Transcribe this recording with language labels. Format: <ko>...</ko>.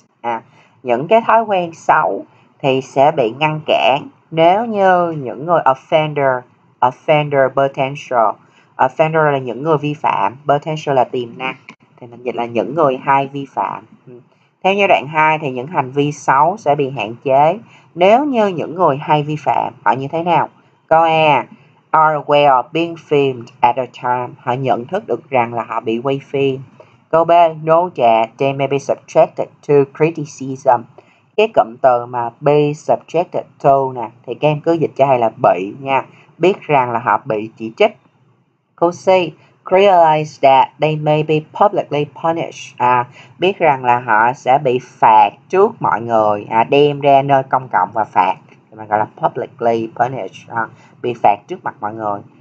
<vi>À, những cái thói quen xấu thì sẽ bị ngăn cản nếu như những người offender potential, offender là những người vi phạm, potential là tiềm năng thì mình dịch là những người hay vi phạm. Theo giai đoạn 2 thì những hành vi xấu sẽ bị hạn chế nếu như những người hay vi phạm họ như thế nào? Câu A,</vi> <en>are aware of being filmed at a time,</en> <vi>họ nhận thức được rằng là họ bị quay phim. Câu B,</vi> <en>know that they may be subjected to criticism.</en> <vi>Cái cụm từ mà</vi> <en>be subjected to</en> <vi>nè thì các em cứ dịch cho hay là bị nha, biết rằng là họ bị chỉ trích. Câu C,</vi> <en>realize that they may be publicly punished,</en> <vi>biết rằng là họ sẽ bị phạt trước mọi người, đem ra nơi công cộng và phạt, mình gọi là</vi> <en>publicly punished,</en> <vi>bị phạt trước mặt mọi người.</vi>